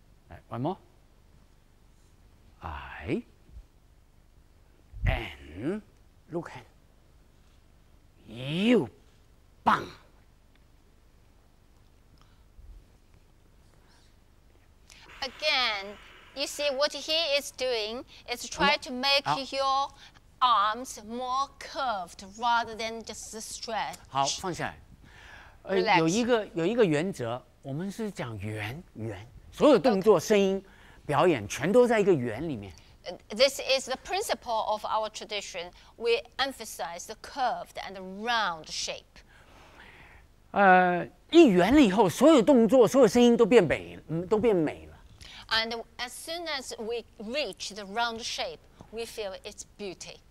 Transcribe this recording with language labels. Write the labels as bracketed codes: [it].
[en] Yeah. Right, one more. I am looking you. Bang. Again. You see, what he is doing is try to make your arms more curved rather than just stretch. [zh] 好, 放下来。有一个原则,我们是讲圆,圆, 所有动作,声音,表演,全都在一个圆里面。 [en] This is the principle of our tradition. We emphasize the curved and the round shape. [zh] 一圆了以后,所有动作,所有声音都变美了。 [en] And as soon as we reach the round shape, we feel its beauty.